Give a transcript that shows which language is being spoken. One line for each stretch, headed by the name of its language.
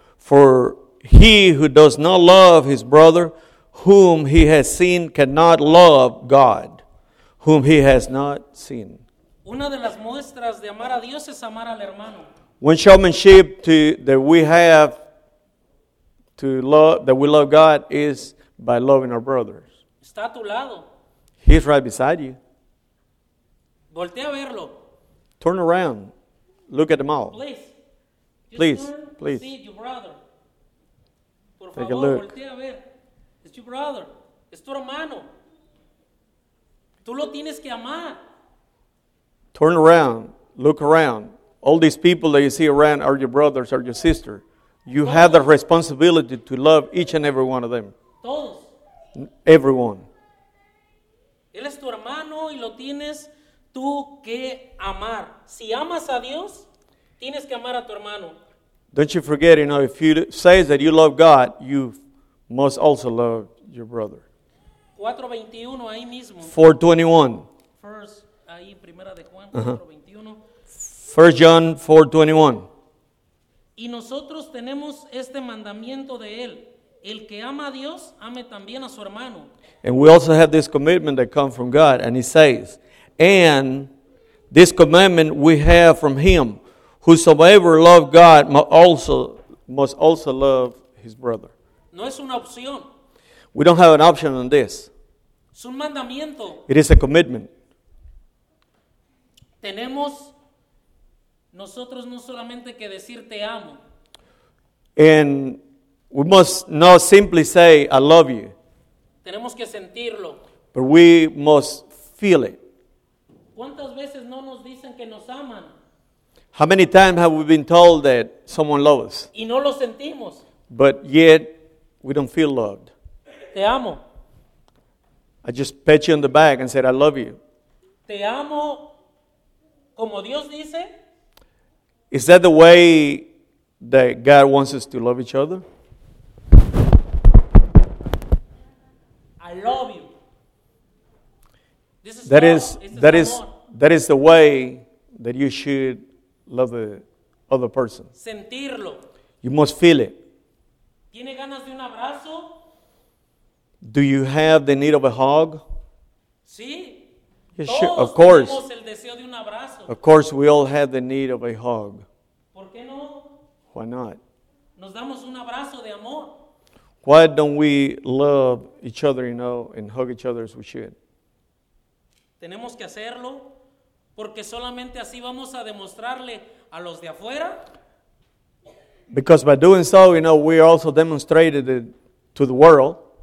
English: For he who does not love his brother, whom he has seen, cannot love God, whom he has not seen.
Spanish: Una de las muestras de amar a Dios es amar al hermano.
English: One showmanship that we love God is by loving our brothers.
Spanish: Está a tu lado.
English: He's right beside you.
Spanish: Voltea a verlo.
English: Turn around. Look at them all. Please. See your brother.
Spanish: Por favor,
English: take a look.
Spanish: Voltea a ver.
English: It's your brother.
Spanish: Es tu hermano. Tú lo tienes que amar.
English: Turn around. Look around. All these people that you see around are your brothers, are your sister. You have the responsibility to love each and every one of them.
Spanish: Todos.
English: Everyone.
Spanish: Él es tu hermano y lo tienes tú que amar. Si amas a Dios, tienes que amar a tu hermano.
English: Don't you forget, you know, if you say that you love God, you must also love your brother.
Spanish: 4:21, ahí mismo. 4:21. First, ahí, Primera de Juan, 4:21.
English: Uh-huh. 1 John 4:21.
Spanish: Y nosotros tenemos este mandamiento de Él. El que ama a Dios, ame también a su hermano.
English: And we also have this commitment that comes from God. And he says, and this commandment we have from him, whosoever loves God must also love his brother.
Spanish: No es una opción.
English: We don't have an option on this.
Spanish: Es un mandamiento.
English: It is a commitment.
Spanish: Tenemos nosotros no solamente que decir te amo.
English: And We must not simply say, I love you.
Spanish: Tenemos que sentirlo.
English: But we must feel it.
Spanish: ¿Cuántas veces no nos dicen que nos aman?
English: How many times have we been told that someone loves us?
Spanish: Y no lo sentimos.
English: But yet, we don't feel loved.
Spanish: Te amo.
English: I just pat you on the back and said, I love you.
Spanish: Te amo como Dios dice.
English: Is that the way that God wants us to love each other? I love you. That is the way that you should love the other person.
Spanish: Sentirlo.
English: You must feel it.
Spanish: ¿Tiene ganas de un abrazo?
English: Do you have the need of a hug?
Spanish: Sí.
English: Yes, sure. Of course.
Spanish: Tenemos el deseo de un abrazo.
English: Of course, we all have the need of a hug.
Spanish: ¿Por qué no?
English: Why not?
Spanish: Nos damos un abrazo de amor.
English: Why don't we love each other, you know, and hug each other as we should?
Spanish: Tenemos que hacerlo porque solamente así vamos a demostrarle a los de afuera.
English: Because by doing so, you know, we also demonstrated it to the world